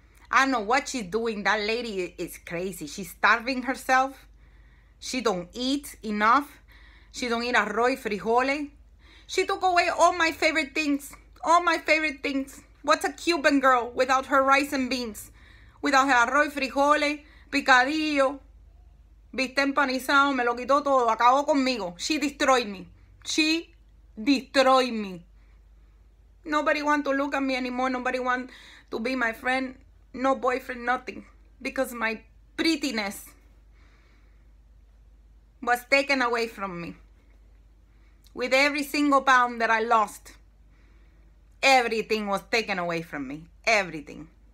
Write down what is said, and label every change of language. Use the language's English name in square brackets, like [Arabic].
[English] I don't know what she's doing. That lady is crazy. She's starving herself. She don't eat enough. She don't eat [Spanish] arroz y frijoles. [English] She took away all my favorite things. All my favorite things. What's a Cuban girl without her rice and beans? Without her [Spanish] arroz y frijoles, picadillo, bistec empanizado, me lo quitó todo, acabó conmigo. [English] She destroyed me. She destroyed me. Nobody want to look at me anymore. Nobody want to be my friend. No boyfriend, nothing. Because my prettiness was taken away from me. With every single pound that I lost, everything was taken away from me. Everything.